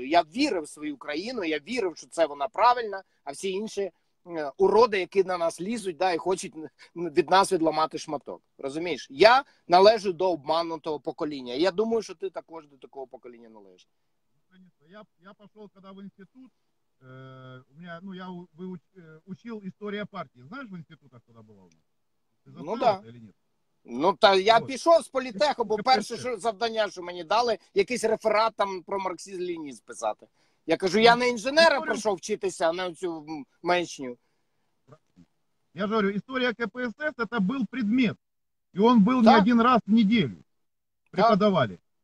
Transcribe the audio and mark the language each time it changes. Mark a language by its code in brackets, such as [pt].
[uk] Я вірив в свою країну, я вірив, що це вона правильна, а всі інші уроди, які на нас лізуть, да, і хочуть від нас відламати шматок. Розумієш? Я належу до обманутого покоління. Я думаю, що ти також до такого покоління належиш. Я пішов, коли в інститут, [ru] у меня, ну, я учил история партии. Знаешь, в институтах тогда була у нас? Ну, да. Или нет? [uk] Ну, та я пішов з політеху, бо перше завдання, що мені дали, якийсь реферат там про марксизм-ленінізм писати. Я кажу, я не інженера прийшов вчитися, а не оцю маячню. Я ж говорю, історія КПСС – це був предмет. І він був не один раз в неділю. Преподавали.